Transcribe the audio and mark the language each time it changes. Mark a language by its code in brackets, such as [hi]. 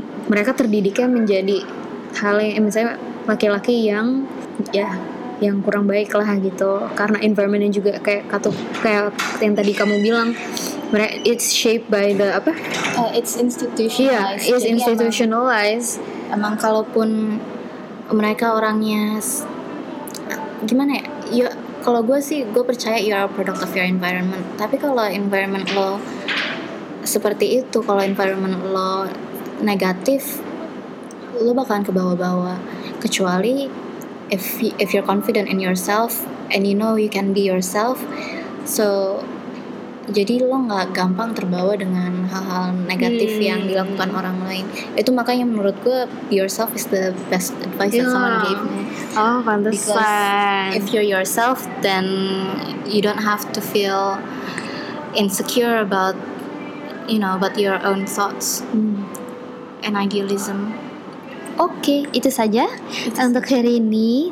[id] mereka terdidiknya menjadi hal yang misalnya laki-laki yang ya yang kurang baik lah gitu, karena environmentnya juga kayak yang tadi kamu bilang, [en] it's shaped by the [id] apa? [en] It's institutionalized. Yeah, it's institutionalized. [id] Emang kalaupun mereka orangnya gimana ya? Kalau gue sih, gue percaya [en] you are a product of your environment. [id] Tapi kalau environment lo seperti itu, kalau environment lo negatif, lo bakalan ke bawah-bawah. Kecuali [en] if you're confident in yourself and you know you can be yourself, so [id] jadi lo gak gampang terbawa dengan hal-hal negatif yang dilakukan orang lain. Itu makanya menurut gue [en] be yourself is the best advice that someone gave me. [id] Oh, pantesan. [en] Because if you're yourself, then you don't have to feel insecure about, you know, about your own thoughts and idealism. [id] Oke, itu saja untuk hari ini.